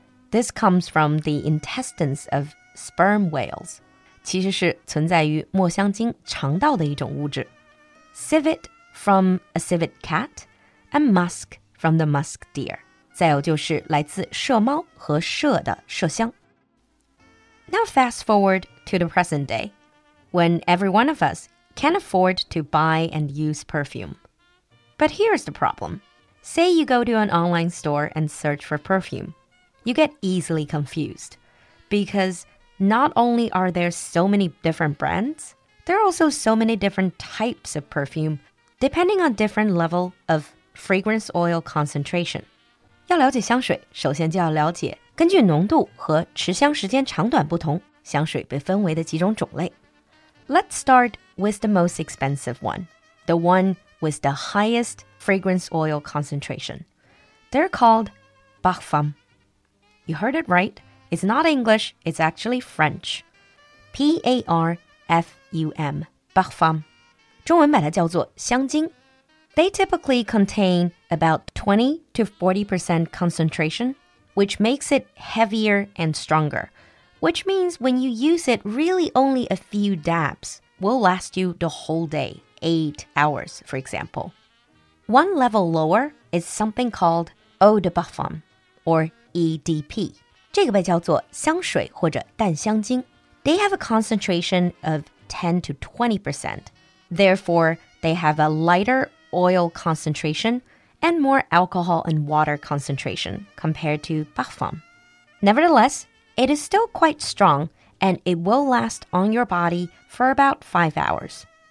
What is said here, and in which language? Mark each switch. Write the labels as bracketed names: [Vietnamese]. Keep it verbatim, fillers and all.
[English] This comes from the intestines of sperm whales, [Chinese] 其实是存在于墨香鲸肠道的一种物质。 [English] Civet from a civet cat,and musk from the musk deer. [Chinese] 再有就是来自麝猫和麝的麝香。 [English] Now fast forward to the present day, when every one of us can afford to buy and use perfume, But here's the problem. Say you go to an online store and search for perfume. You get easily confused because not only are there so many different brands, there are also so many different types of perfume depending on different level of fragrance oil concentration. [Chinese] 要了解香水，首先就要了解根据浓度和持香时间长短不同，香水被分为的几种种类。 [English] Let's start with the most expensive one, the one with the highest fragrance oil concentration. They're called parfum. You heard it right. It's not English, it's actually French. P A R F U M, parfum. [Chinese] 中文把它叫做香精。 [English] They typically contain about twenty to forty percent concentration, which makes it heavier and stronger, which means when you use it, really only a few dabs will last you the whole day, eight hours, for example. One level lower is something called eau de parfum, or E D P. [Chinese] 这个被叫做香水或者淡香精。 [English] They have a concentration of ten to twenty percent. Therefore, they have a lighter oil concentration and more alcohol and water concentration compared to parfum. Nevertheless, it is still quite strong and it will last on your body for about five hours.